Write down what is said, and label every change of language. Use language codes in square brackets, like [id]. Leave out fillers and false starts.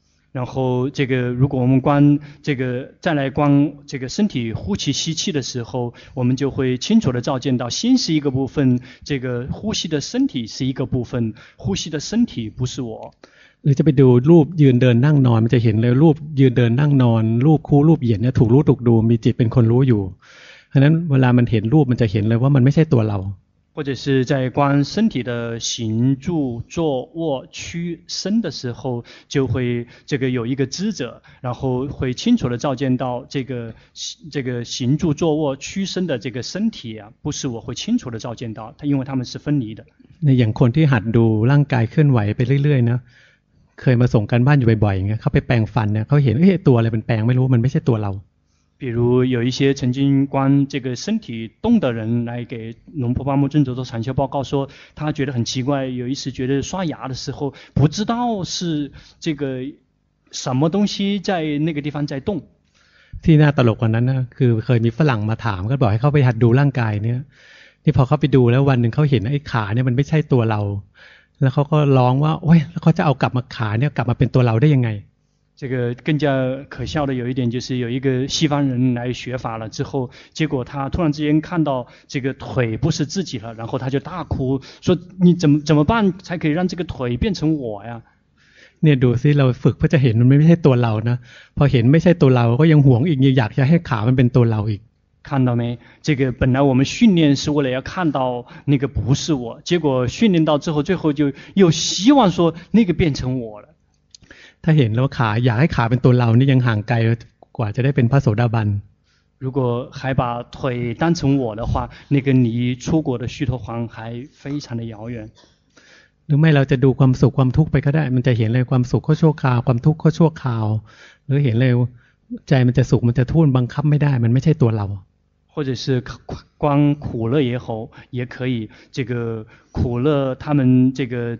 [zh] 然后这个如果我们观这个再来观这个身体呼气吸气的时候我们就会清楚的照见到心是一个部分这个呼吸的身体是一个部分呼吸的身体不是我 [th] หรือจะไปดูรูปยืนเดินนั่งนอนมันจะเห็นเลยรูปยืนเดินนั่งนอนรูปคู่รูปเหยียดเนี่ยถูกรู้ถูกดูมีจิตเป็นคนรู้อยู่เพราะนั้นเวลามันเห็นรูปมันจะเห็นเลยว่ามันไม่ใช่ตัวเรา [zh] 或者是在观身体的行住坐卧屈伸的时候，就会这个有一个知者，然后会清楚的照见到这个行住坐卧屈伸的这个身体啊，不是我会清楚的照见到它，因为它们是分离的。 [th] 那อย่างคนที่หัดดูร่างกายเคลื่อนไหวไปเรื่อยๆนะเคยมาส่งกันบ้านอยู่บ่อยๆเงี้ยเขาไปแปรงฟันเนี่ยเขาเห็นตัวอะไรมันแปรงไม่รู้มันไม่ใช่ตัวเรา [zh] 比如有一些曾经观这个身体动的人来给龙婆巴木尊者做禅修报告说他觉得很奇怪有一次觉得刷牙的时候不知道是这个什么东西在那个地方在动 [th] ที่น่าตลกกว่านั้นนะคือเคยมีฝรั่งมาถามก็บอกให้เขาไปหัดดูร่างกายเนี่ยที่พอเขาไปดูแล้ววันหนึ่งเขาเห็นไอ้ขาเนี่ยมันไม่ใช่ตัวเราแล้วเขาก็ร้องว่าโอ้ยแล้วเขาจะเอากลับมาขาเนี่ยกลับมาเป็นตัวเราได้ยังไง [zh] 这个更加可笑的有一点就是有一个西方人来学法了之后结果他突然之间看到这个腿不是自己了然后他就大哭说你怎么办才可以让这个腿变成我呀 [th] เนี่ยดูสิเราฝึกเพื่อจะเห็นมันไม่ใช่ตัวเรานะพอเห็นไม่ใช่ตัวเราก็ยังหวงอีกยังอยากจะให้ขามันเป็นตัวเราอีก [zh] 看到没这个本来我们训练是为了要看到那个不是我结果训练到之后最后就又希望说那个变成我了 [th] ถ้าเห็นแล้วขาอยากให้ขาเป็นตัวเรานี่ยังห่างไกลกว่าจะได้เป็นพระโสดาบัน [zh] 如果还把腿当成我的话那个离出国的须陀洹还非常的遥远 [th] หรือไม่เราจะดูความสุขความทุกข์ไปก็ได้มันจะเห็นเลยความสุขก็ชั่วคราวความทุกข์ก็ชั่วคราวหรือเห็นเลยใจมันจะสุขมันจะทุ่นบังคับไม่ได้มันไม่ใช่ตัวเรา [zh] 或者是光苦乐也好也可以这个苦乐他们这个